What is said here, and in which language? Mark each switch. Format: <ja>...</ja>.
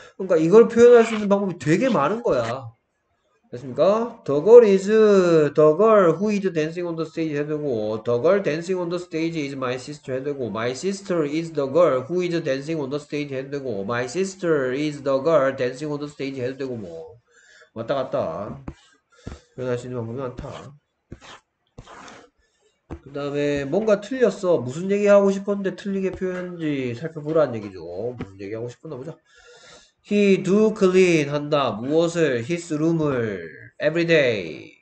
<ko>그러니까 이걸 표현할 수 있는 방법이 되게 많은 거야. 됐습니까?</ko> <en>The girl is the girl who is dancing on the stage</en> <ko>해두고,</ko> <en>The girl dancing on the stage is my sister 해두고, My sister is the girl who is dancing on the stage 해두고, My sister is the girl dancing on the stage 해두고, 뭐.</en> <ko>왔다 갔다. 표현할 수 있는 방법이 많다. 그 다음에 뭔가 틀렸어. 무슨 얘기하고 싶었는데 틀리게 표현했는지 살펴보라는 얘기죠. 무슨 얘기하고 싶었나 보자.</ko> <en>He do clean</en> <ko>한다. 무엇을?</ko> <en>His room을. Every day.</en>